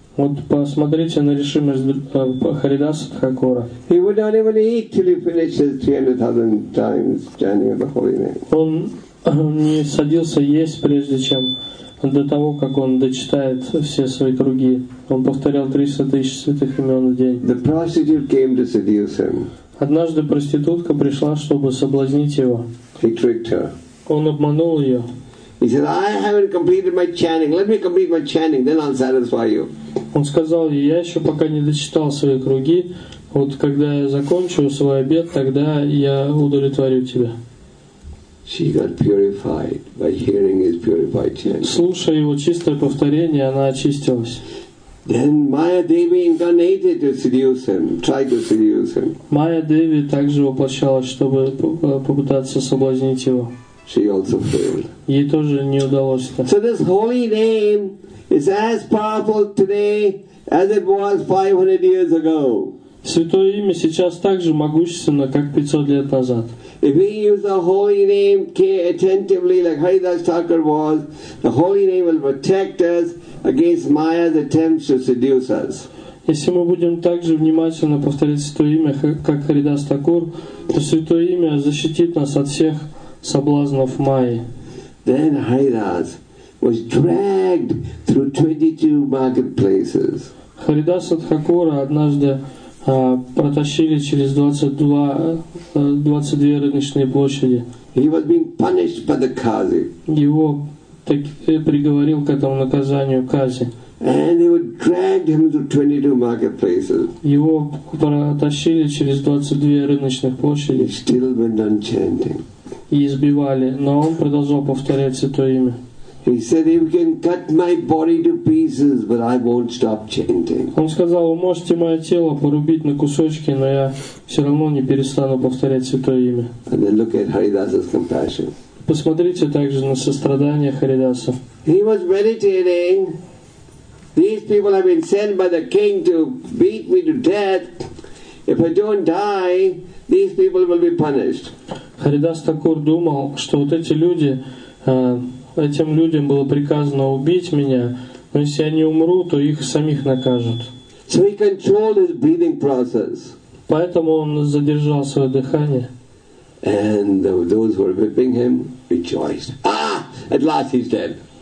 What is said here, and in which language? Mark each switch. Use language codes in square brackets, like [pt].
[ru] Вот посмотрите на решимость Харидаса Тхакура. [en] He would not even eat till he finishes 300,000 times chanting of the holy name. [ru] Он не садился есть прежде чем до того, как он дочитает все свои круги. Он повторял 300,000 святых имен в день. [en] The prostitute came to seduce him. [ru] Однажды проститутка пришла, чтобы соблазнить его. [en] He tricked her. [ru] Он обманул ее. [en] He said, "I haven't completed my chanting. Let me complete my chanting, then I'll satisfy you." [ru] Он сказал ей, я еще пока не дочитал свои круги, вот когда я закончу свой обед, тогда я удовлетворю тебя. [en] She got purified by hearing his purified chanting. [ru] Слушая его чистое повторение, она очистилась. [en] Then Maya Devi incarnated to seduce him, tried to seduce him. [ru] Maya Devi также воплощалась, чтобы попытаться соблазнить его. [en] She also failed. [ru] Ей тоже не удалось это. [en] So this holy name, it's as powerful today as it was 500 years ago. [ru] Святое имя сейчас так же могущественно, как 500 лет назад. [en] If we use the holy name attentively, like Haridas Thakur was, the holy name will protect us against Maya's attempts to seduce us. [ru] Если мы будем также внимательно повторять Святое имя, как Харидас Такур, то Святое имя защитит нас от всех соблазнов Майи. [en] Then Haridas was dragged through 22 marketplaces. [ru] Харидас Такура однажды протащили через 22 рыночные площади. [en] He was being punished by the Qazi. [ru] Его приговорил к этому наказанию Кази. [en] And they would drag him to 22 marketplaces. [ru] Его протащили через 22 рыночных площади. [en] He still went on chanting. [ru] И избивали, но он продолжал повторять Святое имя. [en] He said, "You can cut my body to pieces, but I won't stop chanting." [ru] Он сказал, вы можете мое тело порубить на кусочки, но я все равно не перестану повторять Святое имя. [en] And then look at Haridas's compassion. [ru] Посмотрите также на сострадание Харидаса. [en] He was meditating. These people have been sent by the king to beat me to death. If I don't die, these people will be punished. [ru] Харидас Такур думал, что вот эти люди, этим людям было приказано убить меня, но если я не умру, то их самих накажут. [en] So he controlled his breathing process. [ru] Поэтому он задержал свое дыхание. [en] And those who were whipping him rejoiced. Ah! At last he's dead.